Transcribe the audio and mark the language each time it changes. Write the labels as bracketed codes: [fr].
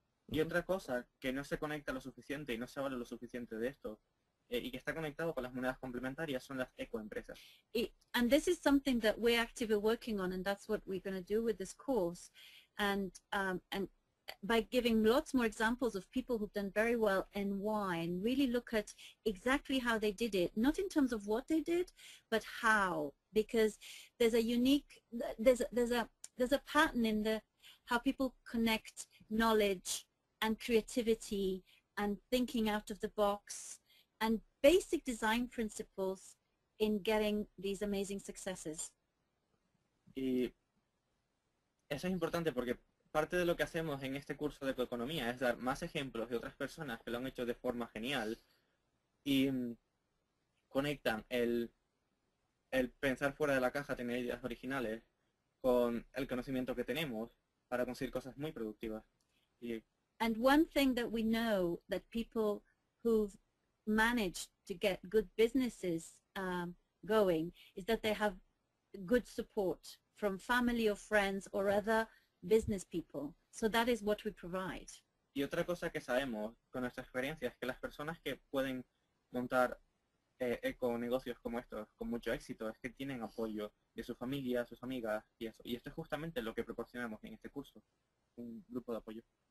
[es] Y otra cosa que no se conecta lo suficiente y no se habla lo suficiente de esto, y que está conectado con las monedas complementarias, son las ecoempresas. [en] And this is something that we're actively working on, and that's what we're going to do with this course. And by giving lots more examples of people who've done very well and why, and really look at exactly how they did it, not in terms of what they did, but how, because there's a unique, there's a pattern in the how people connect knowledge and creativity and thinking out of the box and basic design principles in getting these amazing successes. [es] Y eso es importante porque parte de lo que hacemos en este curso de ecoeconomía es dar más ejemplos de otras personas que lo han hecho de forma genial y conectan el pensar fuera de la caja, tener ideas originales con el conocimiento que tenemos para conseguir cosas muy productivas. Y [en] and one thing that we know that people who've managed to get good businesses going is that they have good support from family or friends or other business people. So that is what we provide. [es] Y otra cosa que sabemos con nuestra experiencia es que las personas que pueden montar eco negocios como estos con mucho éxito es que tienen apoyo de su familia, sus amigas y eso. Y esto es justamente lo que proporcionamos en este curso, un grupo de apoyo.